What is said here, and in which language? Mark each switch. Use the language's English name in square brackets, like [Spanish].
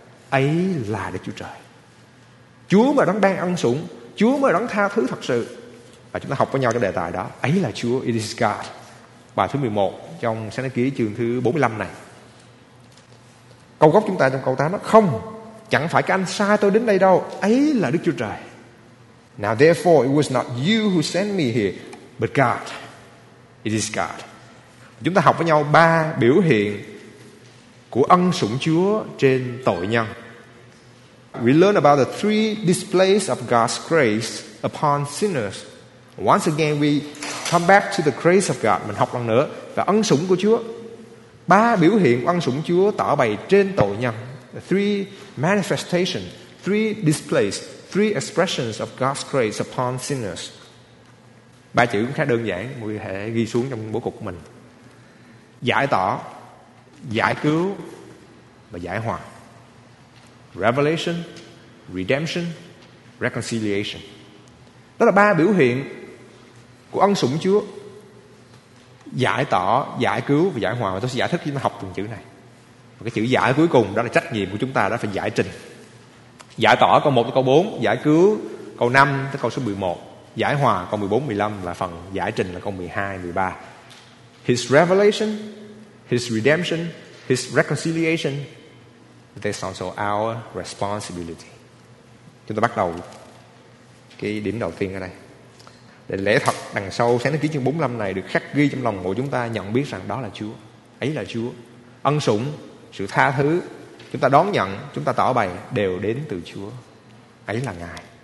[Vietnamese] Ấy là Đức Chúa Trời, Chúa mà đấng ban ân sủng, Chúa mới đón tha thứ thật sự. Và chúng ta học với nhau cái đề tài đó, ấy là Chúa, [English] it is God. [Vietnamese] Bài thứ 11 trong Sáng Thế Ký chương thứ 45 này, câu gốc chúng ta trong câu 8 đó, không, chẳng phải các anh sai tôi đến đây đâu, ấy là Đức Chúa Trời. [English] Now therefore it was not you who sent me here, but God. It is God. [Vietnamese] Chúng ta học với nhau ba biểu hiện của ân sủng Chúa trên tội nhân. [English] We learn about the three displays of God's grace upon sinners. Once again, we come back to the grace of God. [Vietnamese] Mình học lần nữa về ân sủng của Chúa. Ba biểu hiện ân sủng Chúa tỏ bày trên tội nhân. [English] The three manifestations, three displays, three expressions of God's grace upon sinners. [Vietnamese] Ba chữ cũng khá đơn giản, mình có thể ghi xuống trong bố cục của mình: giải tỏ, giải cứu và giải hòa. [English] Revelation, redemption, reconciliation. [Vietnamese] Đó là ba biểu hiện của ân sủng Chúa: giải tỏ, giải cứu và giải hòa. Và tôi sẽ giải thích cho chúng ta học từng chữ này. Và cái chữ giải cuối cùng đó là trách nhiệm của chúng ta, đó phải giải trình. Giải tỏ câu 1 tới câu 4, giải cứu câu 5 tới câu số 11, Giải hòa câu 14, 15 là phần giải trình là câu 12, 13. [English] His revelation, his redemption, his reconciliation, that's also our responsibility. [Vietnamese] Chúng ta bắt đầu cái điểm đầu tiên ở đây. Để lẽ thật đằng sau Sáng Thế Ký chương 45 này được khắc ghi trong lòng mỗi chúng ta, nhận biết rằng đó là Chúa, ấy là Chúa. Ân sủng, sự tha thứ, chúng ta đón nhận, chúng ta tỏ bày đều đến từ Chúa, ấy là Ngài.